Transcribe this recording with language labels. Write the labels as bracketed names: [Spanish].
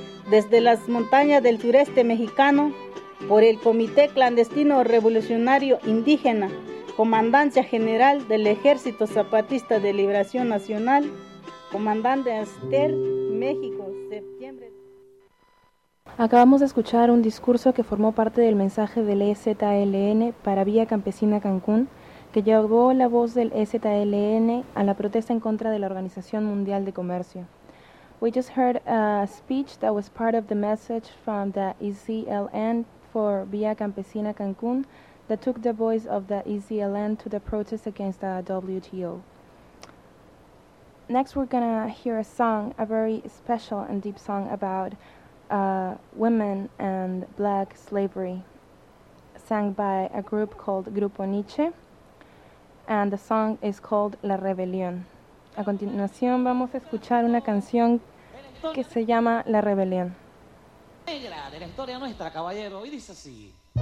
[Spanish] Desde las montañas del sureste mexicano, por el Comité Clandestino Revolucionario Indígena, Comandancia General del Ejército Zapatista de Liberación Nacional, Comandante Esther, México, septiembre. Acabamos de escuchar un discurso que formó parte del mensaje del EZLN para Vía Campesina Cancún, que llevó la voz del EZLN a la protesta en contra de la Organización Mundial de Comercio. [English] We just heard a speech that was part of the message from the EZLN for Vía Campesina Cancún that took the voice of the EZLN to the protest against the WTO. Next, we're going to hear a song, a very special and deep song about women and black slavery, sang by a group called Grupo Niche, and the song is called La Rebelión. [Spanish] A continuación, vamos a escuchar una canción que se llama La Rebelión. Negra de la historia nuestra, caballero, y dice así.